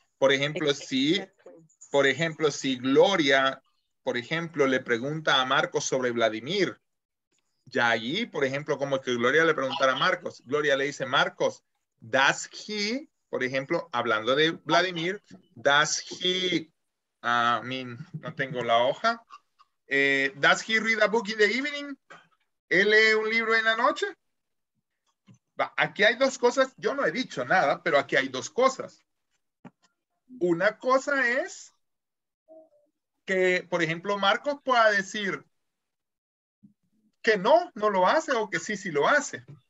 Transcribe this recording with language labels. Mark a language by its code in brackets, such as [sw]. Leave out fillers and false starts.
[es] Por ejemplo, si Gloria, por ejemplo, le pregunta a Marcos sobre Vladimir. Ya allí, por ejemplo, como que Gloria le preguntara a Marcos. Gloria le dice, Marcos, [en] does he, [es] por ejemplo, hablando de Vladimir, does he, no tengo la hoja. [en] Does he read a book in the evening? [es] ¿Él lee un libro en la noche? Aquí hay dos cosas, yo no he dicho nada, pero aquí hay dos cosas. Una cosa es que, por ejemplo, Marcos pueda decir que no lo hace, o que sí lo hace.